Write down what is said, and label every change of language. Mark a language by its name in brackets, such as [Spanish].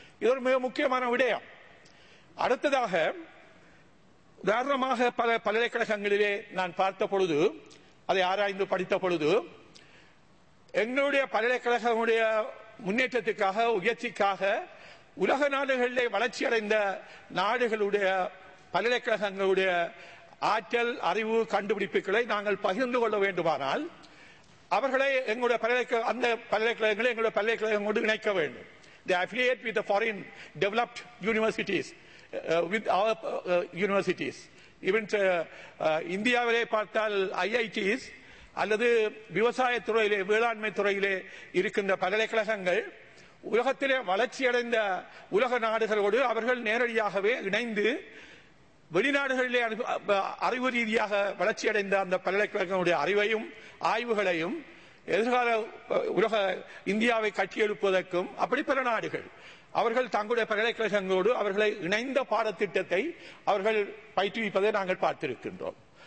[Tamil] இது ஒரு மிக முக்கியமான விடயம். அடுத்ததாக, உதாரணமாக பல பல்கலைக்கழகங்களிலே நான் பார்த்த பொழுது, அதை ஆராய்ந்து படித்த பொழுது, எங்களுடைய பல்கலைக்கழகங்களுடைய முன்னேற்றத்துக்காக, உயர்ச்சிக்காக உலக நாடுகளிலே வளர்ச்சியடைந்த நாடுகளுடைய பல்கலைக்கழகங்களுடைய ஆற்றல், அறிவு, கண்டுபிடிப்புகளை நாங்கள் பகிர்ந்து கொள்ள வேண்டுமானால் அவர்களை எங்களுடைய அந்த பல்கலைக்கழகங்களை எங்களுடைய பல்கலைக்கழகங்களோடு இணைக்க வேண்டும். [English] They affiliate with the foreign developed universities, with our universities. [Tamil] Even இந்தியாவிலே பார்த்தால் ஐஐடிஸ், அல்லது விவசாயத்துறையிலே, வேளாண்மை துறையிலே இருக்கின்ற பல்கலைக்கழகங்கள் உலகத்திலே வளர்ச்சியடைந்த உலக நாடுகளோடு அவர்கள் நேரடியாகவே இணைந்து வெளிநாடுகளிலே அறிவு ரீதியாக வளர்ச்சியடைந்த அந்த பல்கலைக்கழகங்களுடைய அறிவையும் ஆய்வுகளையும் எதிர்கால உலக இந்தியாவை கட்டியெழுப்புவதற்கும், அப்படி பல நாடுகள் அவர்கள் தங்களுடைய பல்கலைக்கழகங்களோடு அவர்களை இணைந்த பாடத்திட்டத்தை அவர்கள் பயிற்றுவிப்பதை நாங்கள் பார்த்திருக்கின்றோம்.